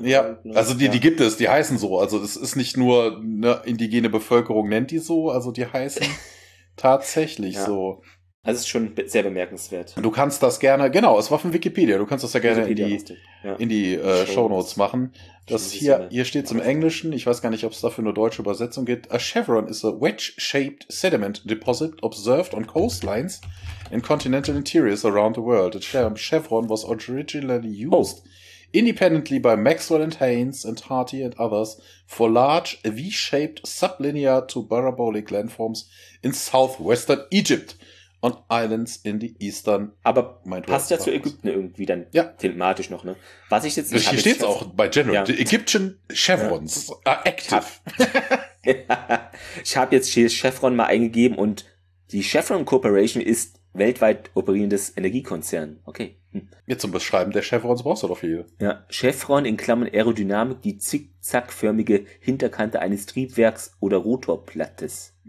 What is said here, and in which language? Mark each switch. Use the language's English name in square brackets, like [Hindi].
[German] Ja, also die gibt es, die heißen so. Also es ist nicht nur eine indigene Bevölkerung nennt die so, also die heißen tatsächlich ja. So. Also es ist schon sehr bemerkenswert. Du kannst das gerne, genau, es war von Wikipedia, du kannst das ja gerne in die Shownotes machen. Das hier, steht es im Englischen, ich weiß gar nicht, ob es dafür eine deutsche Übersetzung gibt. [English] A chevron is a wedge-shaped sediment deposit observed on coastlines in continental interiors around the world. A chevron was originally used independently by Maxwell and Haynes and Hardy and others for large V-shaped sublinear to parabolic landforms in southwestern Egypt. [German] Und [English] Islands in the Eastern. [German] Aber passt ja zu Ägypten irgendwie dann thematisch noch, ne? Was ich jetzt nicht. Hier steht es auch bei General. [English] Ja. The Egyptian Chevrons are active. [German] Ich habe jetzt hier Chevron mal eingegeben und die Chevron Corporation ist weltweit operierendes Energiekonzern. Okay. Jetzt zum Beschreiben der Chevrons brauchst du doch viel. Ja, Chevron in Klammern Aerodynamik, die zickzackförmige Hinterkante eines Triebwerks oder Rotorplattes.